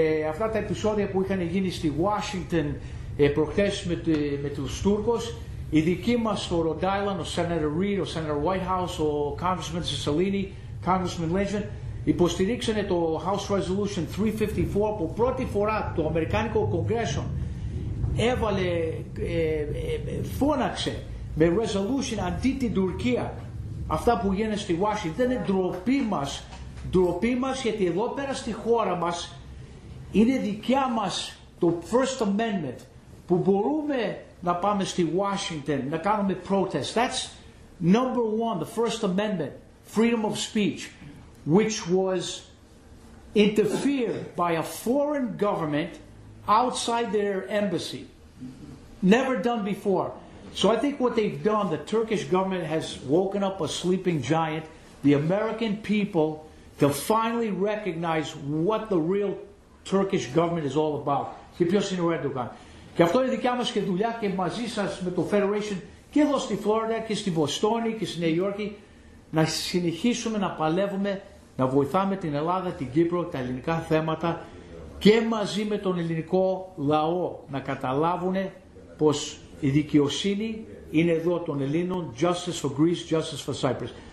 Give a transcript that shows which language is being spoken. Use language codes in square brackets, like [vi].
[el] Αυτά τα επεισόδια που είχαν γίνει στη Washington προχθές με τους Τούρκους, οι δικοί μας στο Rhode Island, ο Senator Reid, ο Senator Whitehouse, ο Congressman Cicilline, Congressman Legend, υποστηρίξανε το House Resolution 354 που πρώτη φορά το Αμερικάνικο Κογκρέσο έβαλε, φώναξε με resolution αντί την Τουρκία. Αυτά που γίνεται στη Washington δεν είναι ντροπή μας. Ντροπή μας, γιατί εδώ πέρα στη χώρα μας είναι δικιά μας το First Amendment που μπορούμε να πάμε στη Washington να κάνουμε protest. [en] That's number one, the First Amendment, freedom of speech, which was interfered by a foreign government outside their embassy. Never done before. So I think what they've done, the Turkish government has woken up a sleeping giant, the American people, to finally recognize what the real Turkish government is all about. [el] Και ποιος είναι ο Ερντογάν. Και αυτό είναι δικιά μας και δουλειά και μαζί σας με το Federation και εδώ στη Φλόριντα και στη Βοστόνη και στη Νέα Υόρκη να συνεχίσουμε να παλεύουμε, να βοηθάμε την Ελλάδα, την Κύπρο, τα ελληνικά θέματα και μαζί με τον ελληνικό λαό να καταλάβουν πως η δικαιοσύνη είναι εδώ των Ελλήνων, [en] justice for Greece, justice for Cyprus.